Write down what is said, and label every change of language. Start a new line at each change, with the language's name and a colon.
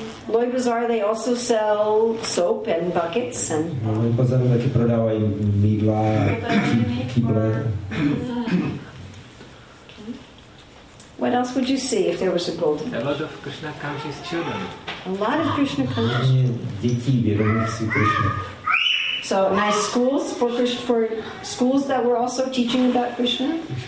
English: Lloyd Bazaar, they also sell soap and buckets and.
Czech: No, Lloyd Bazaar taky prodávají mýdla, kýble.
English: What else would you see if there was a golden? A lot of Krishna conscious children. A lot of Krishna conscious children. So nice schools for schools that were also teaching about Krishna.